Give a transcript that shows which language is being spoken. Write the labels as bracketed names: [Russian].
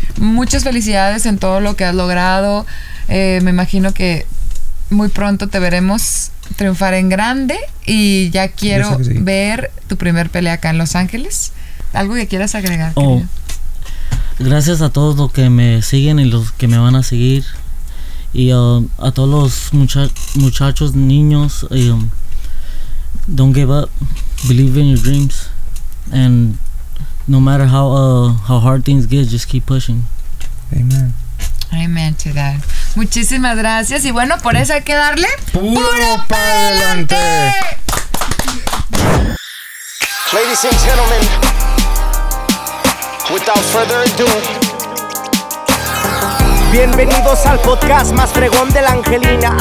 [Spanish] Muchas felicidades en todo lo que has logrado. Me imagino que muy pronto te veremos triunfar en grande y ya quiero ver tu primer pelea acá en Los Ángeles. ¿Algo que quieras agregar? Gracias a todos los que me siguen y los que me van a seguir. Y a todos los muchachos, niños, [English] don't give up, believe in your dreams, and no matter how hard things get, just keep pushing. Amen to that. [Spanish] Muchísimas gracias, y bueno, por eso hay que darle puro para adelante. [English] Ladies and gentlemen, without further ado, [Spanish] bienvenidos al podcast más fregón de la Angelina.